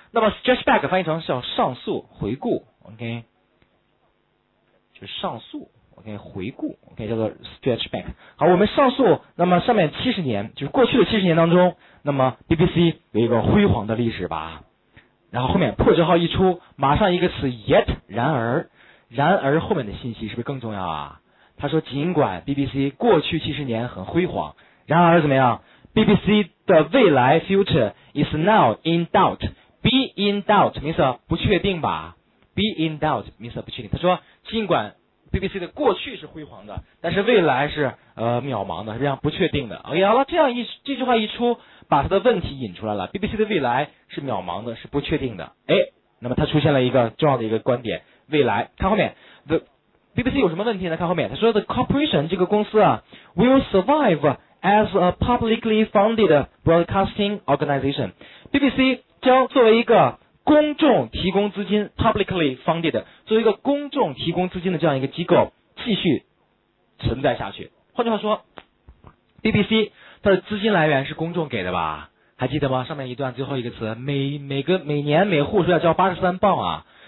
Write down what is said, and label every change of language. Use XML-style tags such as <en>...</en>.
<zh>那么 stretch back 翻译成叫上诉回顾， OK， 就是上诉， OK， 回顾， OK， 叫做 stretch back。好，我们上诉，那么上面70年就是过去的70年当中，那么 BBC 有一个辉煌的历史吧。然后后面破折号一出，马上一个词 yet， 然而，然而后面的信息是不是更重要啊？他说尽管 BBC 过去70年很辉煌，然而怎么样， BBC 的未来</zh> <en>future is now in doubt， be in doubt means</en> <zh>不确定吧， be in doubt means 不确定。他说尽管 BBC 的过去是辉煌的，但是未来是渺茫的，是这样不确定的。 OK， 好了，这样一这句话一出，把他的问题引出来了， BBC 的未来是渺茫的，是不确定的。哎，那么他出现了一个重要的一个观点，未来，看后面 ，the BBC 有什么问题呢？看后面，他说</zh> <en>the corporation</en> <zh>这个公司啊 ，</zh> <en>will survive as a publicly funded broadcasting organization。</en> <zh>BBC 将作为一个公众提供资金 ，</zh> <en>publicly funded，</en> <zh>作为一个公众提供资金的这样一个机构，继续存在下去。换句话说 ，BBC 它的资金来源是公众给的吧？还记得吗？上面一段最后一个词，每年每户是要交83镑啊。</zh>